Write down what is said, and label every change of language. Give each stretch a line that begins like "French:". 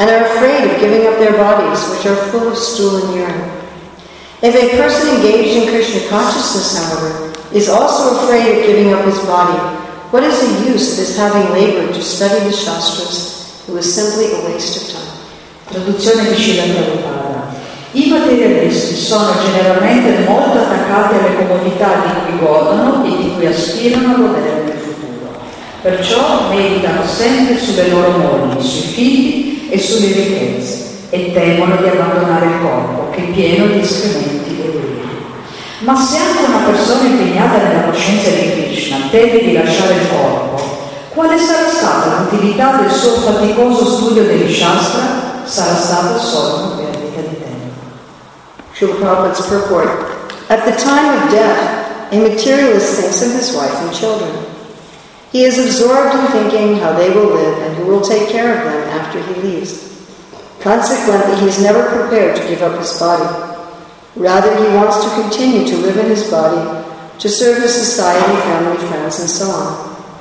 English: and are afraid of giving up their bodies, which are full of stool and urine. If a person engaged in Krishna consciousness, however, is also afraid of giving up his body, what is the use of his having labored to study the Shastras? It was simply a waste of time.
Italian: Traduzione di Srila Prabhupada. I materialisti sono generalmente molto attaccati alle comodità di cui godono e di cui aspirano a godere nel futuro. Perciò meditano sempre sulle loro mogli, sui figli e sulle ricchezze e temono di abbandonare il corpo che è pieno di escrementi e urine. Ma se anche una persona impegnata nella coscienza di Krishna teme di lasciare il corpo, quale sarà stata l'utilità del suo faticoso studio degli Shastra? Sarà stata solo una perdita di tempo.
English: Srila Prabhupada's purport. At the time of death, a materialist thinks of his wife and children. He is absorbed in thinking how they will live and who will take care of them after he leaves. Consequently, he is never prepared to give up his body. Rather, he wants to continue to live in his body, to serve his society, family, friends, and so on.